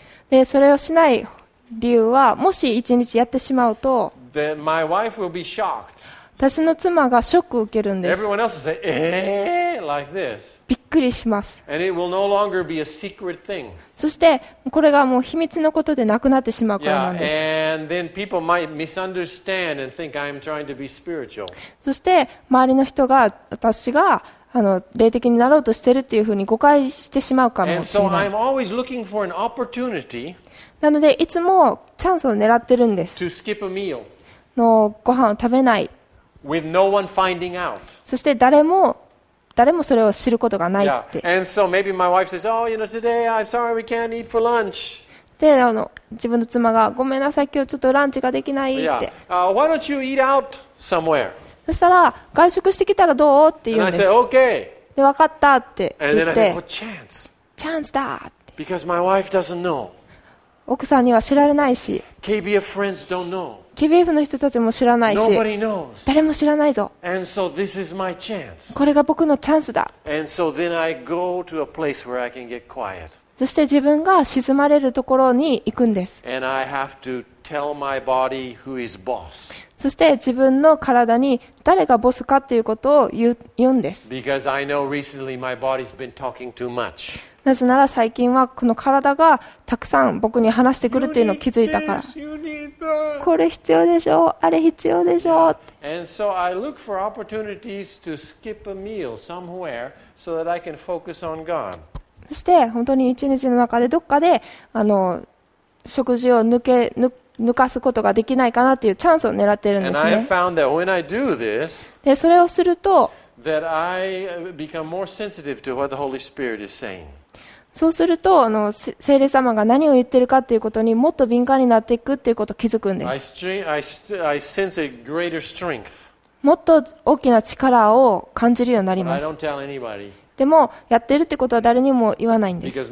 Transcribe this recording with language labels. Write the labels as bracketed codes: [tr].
[ja] で、それをしない理由は、もし一日やってしまうと、 [en] my wife will be shocked. [ja] 私の妻がショックを受けるんです。 [en] Everyone else will say, like this. [ja] びっくりします。 [en] And it will no longer be a secret thing. [ja] そして、これがもう秘密のことでなくなってしまうからなんです。 [en] Yeah, and then people might misunderstand and think I'm trying to be spiritual. [ja] そして、周りの人が私が霊的になろうとしてるっていうふうに誤解してしまうかもしれない。 [en] And so I'm always looking for an opportunity. [ja] なので、いつもチャンスを狙ってるんです。 [en] To skip a meal. [ja] のご飯を食べない。 [en] With no one finding out. [ja] そして誰もそれを知ることがないって。 [en] Yeah. And so maybe my wife says, oh, you know, today I'm sorry we can't eat for lunch. [ja] で、自分の妻がごめんなさい、今日ちょっとランチができないって。 [en] Yeah. Why don't you eat out somewhere? [ja] そしたら、外食してきたらどうって言うんです。 [en] And I say, okay. [ja] で、わかったって言って。 [en] And then I say, oh, chance. [ja] チャンスだって。 [en] Because my wife doesn't know. [ja] 奥さんには知られないし、 [en] KBF, [ja] KBF の人たちも知らないし、 [en] Nobody knows. [ja] 誰も知らないぞ。 [en] And so、this is my chance. [ja] これが僕のチャンスだ。 [en] And so、then I go to a place where I can get quiet. [ja] そして自分が静まれるところに行くんです。 [en] And I have to tell my body who is boss. [ja] そして自分の体に誰がボスかということを 言うんです。 [en] Because I know recently my body's been talking too much. [ja] なぜなら最近はこの体がたくさん僕に話してくるというのを気づいたから。 [en] You need this, you need that. [ja] これ必要でしょ、あれ必要でしょ。 [en] And so I look for opportunities to skip a meal somewhere so that I can focus on God. [ja] そして本当に一日の中でどこかで食事を抜かすことができないかなというチャンスを狙っているんですね。 [en] And this, [ja] でそれをすると [en] that I become more sensitive to what the Holy Spirit is saying. [ja] そうすると聖霊様が何を言っているかということにもっと敏感になっていくということを気づくんです。 [en] I sense a greater strength. [ja] もっと大きな力を感じるようになります。でもやってるってことは誰にも言わないんです。